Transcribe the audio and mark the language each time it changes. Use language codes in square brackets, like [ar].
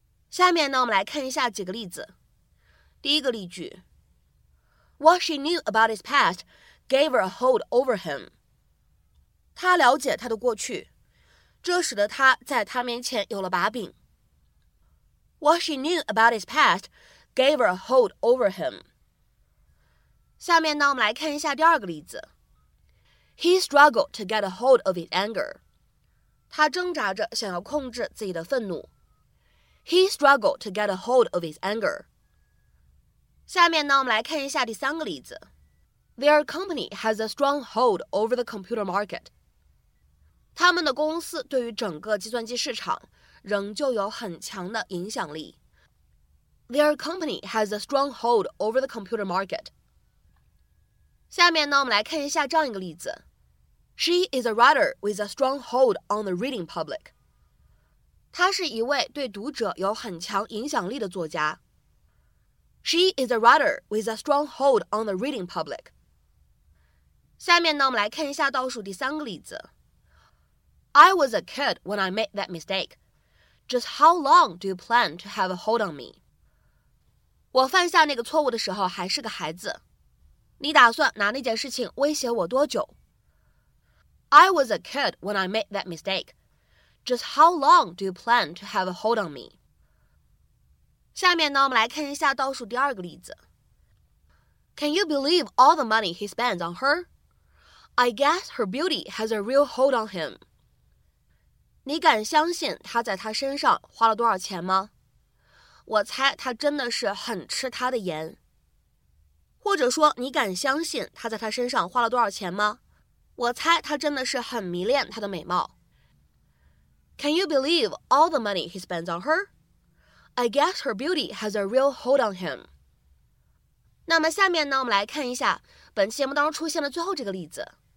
[zh] 下面呢我们来看一下几个例子。第一个例句， [en] What she knew about his past gave her a hold over him. [zh] 她了解他的过去，这使得她在他面前有了把柄。 [en] What she knew about his past gave her a hold over him. [zh] 下面呢我们来看一下第二个例子。 [en] He struggled to get a hold of his anger. [zh] 他挣扎着想要控制自己的愤怒。 [en] He struggled to get a hold of his anger. [zh] 下面呢我们来看一下第三个例子。 [en] Their company has a strong hold over the computer market. [zh] 他们的公司对于整个计算机市场仍旧有很强的影响力。 [en] Their company has a strong hold over the computer market. [zh] 下面呢我们来看一下这样一个例子。 She is a writer with a strong hold on the reading public. 她是一位对读者有很强影响力的作家。 [en] She is a writer with a strong hold on the reading public. [zh] 下面呢，我们来看一下倒数第三个例子。 [en] I was a kid when I made that mistake. Just how long do you plan to have a hold on me? [zh] 我犯下那个错误的时候还是个孩子。你打算拿那件事情威胁我多久？ [en] I was a kid when I made that mistake. Just how long do you plan to have a hold on me? [zh] 下面呢，我们来看一下倒数第二个例子。 [en] Can you believe all the money he spends on her? I guess her beauty has a real hold on him. [zh] 你敢相信他在他身上花了多少钱吗？我猜他真的是很吃他的颜。或者说，你敢相信他在他身上花了多少钱吗？我猜他真的是很迷恋她的美貌。 [en] Can you believe all the money he spends on her? I guess her beauty has a real hold on him. [zh] 那么下面呢，我们来看一下本期节目当中出现的最后这个例子。